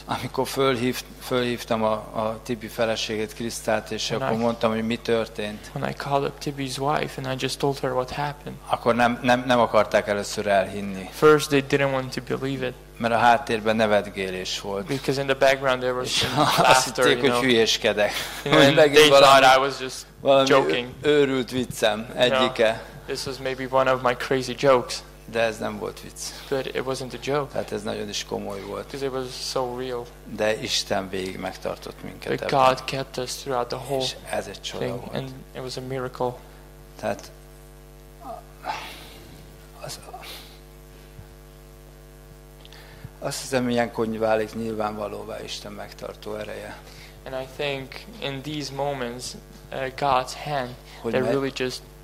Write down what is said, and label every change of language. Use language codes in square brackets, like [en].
[hu] Amikor fölhívtam a Tibi feleségét, Krisztát, és [en] when [hu] akkor [en] I, [hu] mondtam, hogy mi történt. [en] When I called up Tibi's wife and I just told her what happened. [hu] Akkor nem akarták először elhinni. [en] First they didn't want to believe it. [hu] Mert a háttérben nevetgélés volt. [en] Because in the background there was laughter, you know. [hu] Hülyéskedek. [en] They thought I was just joking. [hu] Őrült viccem egyike. [en] This was maybe one of my crazy jokes. [hu] De ez nem volt vicc. [en] But it wasn't a joke. [hu] Tehát ez nagyon is komoly volt. [en] Because it was so real. [hu] De Isten végig megtartott minket. [en] But God kept us throughout the whole [hu] thing. És ez egy csoda [en] volt. And it was a miracle. [hu] Tehát azt hiszem, ilyenkor válik nyilvánvalóvá Isten megtartó ereje. [en] And I think in these moments God's hand that really just